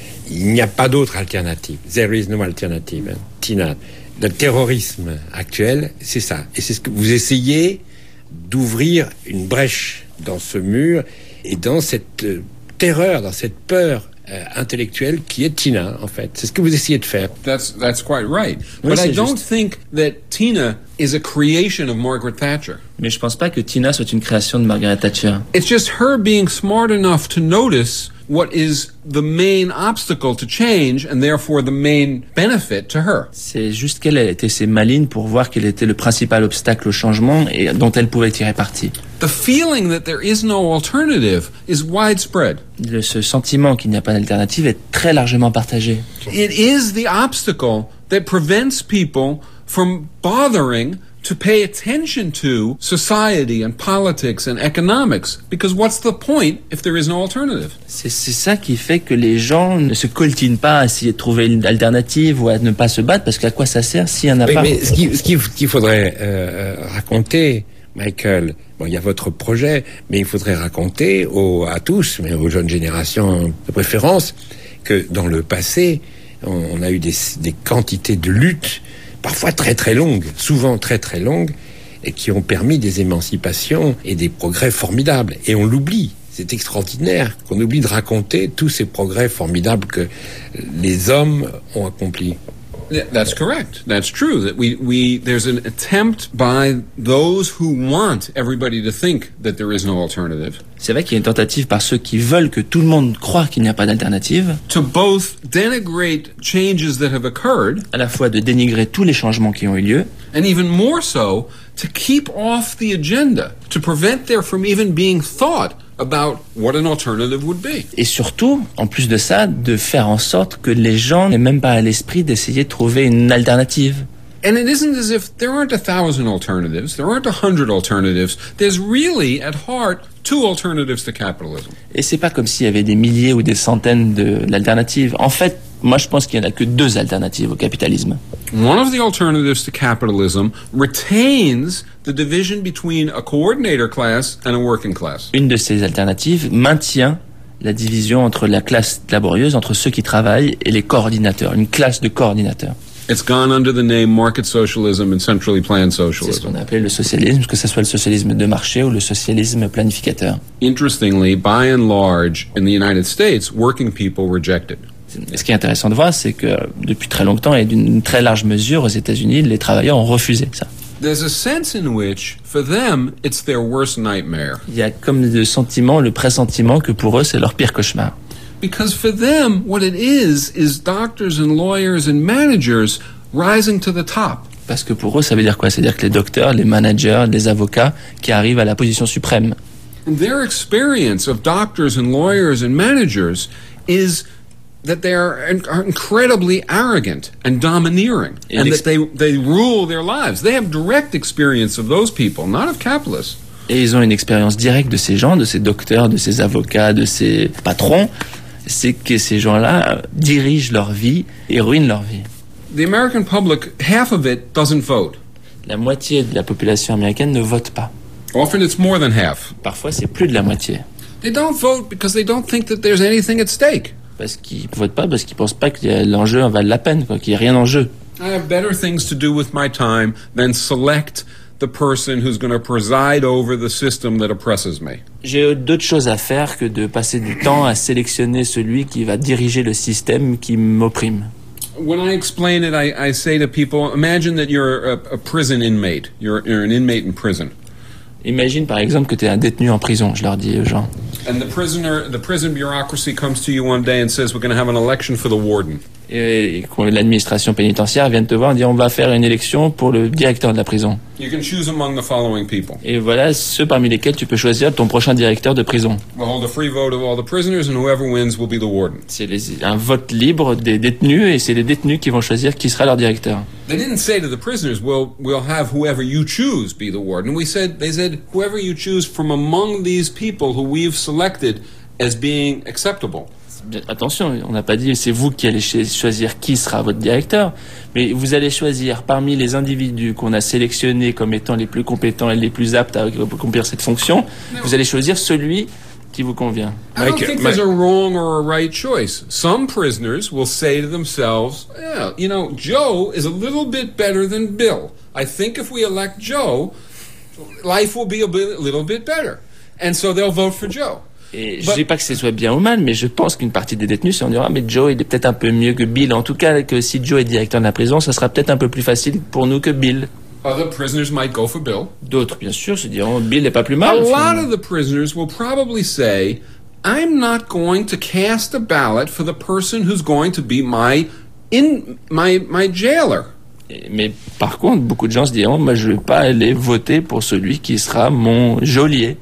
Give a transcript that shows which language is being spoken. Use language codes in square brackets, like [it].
[fr] Il n'y a pas d'autre alternative. [en] There is no alternative, Tina. [fr] Le terrorisme actuel, c'est ça. Et c'est ce que vous essayez d'ouvrir une brèche dans ce mur et dans cette terreur, dans cette peur intellectuelle qui est Tina, en fait. C'est ce que vous essayez de faire. [en] That's quite right. But I don't think that Tina is a creation of Margaret Thatcher. [fr] Mais je pense pas que Tina soit une création de Margaret Thatcher. [en] It's just her being smart enough to notice what is the main obstacle to change and therefore the main benefit to her. [fr] C'est juste qu'elle était ses malines pour voir quel était le principal obstacle au changement et dont elle pouvait tirer parti. [en] The feeling that there is no alternative is widespread. [fr] Ce sentiment qu'il n'y a pas d'alternative est très largement partagé. [en] It is the obstacle that prevents people from bothering to pay attention to society and politics and economics, because what's the point if there is no alternative? [fr] C'est ça qui fait que les gens ne se coltinent pas à essayer de trouver une alternative ou à ne pas se battre, parce qu'à quoi ça sert s'il y en a pas? Mais ce qu'il faudrait raconter, Michael, bon, il y a votre projet, mais il faudrait raconter à tous, mais aux jeunes générations de préférence, que dans le passé, on a eu des quantités de luttes parfois très très longues, souvent très très longues, et qui ont permis des émancipations et des progrès formidables. Et on l'oublie, c'est extraordinaire qu'on oublie de raconter tous ces progrès formidables que les hommes ont accomplis. [en] That's correct. That's true. That we there's an attempt by those who want everybody to think that there is no alternative. [fr] C'est vrai qu'il y a une tentative par ceux qui veulent que tout le monde croie qu'il n'y a pas d'alternative. [en] To both denigrate changes that have occurred. [fr] À la fois de dénigrer tous les changements qui ont eu lieu. [en] And even more so, to keep off the agenda, to prevent there from even being thought about what an alternative would be. [fr] Et surtout, en plus de ça, de faire en sorte que les gens n'aient même pas à l'esprit d'essayer de trouver une alternative. [en] And it isn't as if there aren't 1,000 alternatives, there aren't 100 alternatives. There's really, at heart, 2 alternatives to capitalism. [fr] Et c'est pas comme s'il y avait des milliers ou des centaines d'alternatives. En fait, moi je pense qu'il n'y en a que 2 alternatives au capitalisme. [en] One of the alternatives to capitalism retains the division between a coordinator class and a working class. [fr] Une de ces alternatives maintient la division entre la classe laborieuse, entre ceux qui travaillent, et les coordinateurs, une classe de coordinateurs. [en] It's gone under the name market socialism and centrally planned socialism. [fr] C'est ce qu'on appelle le socialisme, que ce soit le socialisme de marché ou le socialisme planificateur. [en] Interestingly, by and large, in the United States, working people reject it. [fr] Ce qui est intéressant de voir, c'est que depuis très longtemps et d'une très large mesure aux États-Unis, les travailleurs ont refusé ça. [en] There's a sense in which, for them, it's their worst nightmare. [fr] Il y a comme le sentiment, le pressentiment que pour eux, c'est leur pire cauchemar. [en] Because for them, what it is doctors and lawyers and managers rising to the top. [fr] Parce que pour eux, ça veut dire quoi? C'est-à-dire que les docteurs, les managers, les avocats qui arrivent à la position suprême. [en] And their experience of doctors and lawyers and managers is that they are incredibly arrogant and domineering, and that they rule their lives. They have direct experience of those people, not of capitalists. [fr] Et ils ont une expérience directe de ces gens, de ces docteurs, de ces avocats, de ces patrons. C'est que ces gens-là dirigent leur vie et ruinent leur vie. [en] The American public, half of it doesn't vote. [fr] La moitié de la population américaine ne vote pas. [en] Often it's more than half. [fr] Parfois, c'est plus de la moitié. [en] They don't vote because they don't think that there's anything at stake. [fr] Parce qu'ils ne votent pas, parce qu'ils ne pensent pas que l'enjeu en vaille la peine, quoi, qu'il n'y a rien en jeu. [en] I have better things to do with my time than select the person who's going to preside over the system that oppresses me. [fr] J'ai d'autres choses à faire que de passer du temps à sélectionner celui qui va diriger le système qui m'opprime. [en] When I explain it, I say to people, imagine that you're a prison inmate. You're an inmate in prison. [fr] Imagine par exemple que tu es un détenu en prison, je leur dis aux gens. [en] And the prison bureaucracy comes to you one day and says we're going to have an election for the warden. [fr] Et l'administration pénitentiaire vient te voir et dit on va faire une élection pour le directeur de la prison. [en] You can choose among the following people. [fr] Et voilà ceux parmi lesquels tu peux choisir ton prochain directeur de prison. [en] We'll hold a free vote of all the prisoners and whoever wins will be the warden. [fr] C'est un vote libre des détenus et c'est les détenus qui vont choisir qui sera leur directeur. [en] They didn't say to the prisoners we'll have whoever you choose be the warden. They said whoever you choose from among these people who we've selected as being acceptable. [fr] Attention, on n'a pas dit c'est vous qui allez choisir qui sera votre directeur, mais vous allez choisir parmi les individus qu'on a sélectionnés comme étant les plus compétents et les plus aptes à accomplir cette fonction, vous allez choisir celui qui vous convient. [en] I don't think there's a wrong or a right choice. Some prisoners will say to themselves, yeah, you know, Joe is a little bit better than Bill. I think if we elect Joe, life will be a little bit better. And so they'll vote for Joe. [fr] Et je dis pas que ce soit bien ou mal, mais je pense qu'une partie des détenus, c'est on dira, mais Joe, il est peut-être un peu mieux que Bill. En tout cas, que si Joe est directeur de la prison, ça sera peut-être un peu plus facile pour nous que Bill. [en] Other prisoners might go for Bill. [fr] D'autres, bien sûr, se diront, Bill n'est pas plus mal. [en] A lot of the prisoners will probably say, I'm not going to cast a ballot for the person who's going to be my my jailer. [fr] Mais par contre, beaucoup de gens se diront, moi, je vais pas aller voter pour celui qui sera mon geôlier.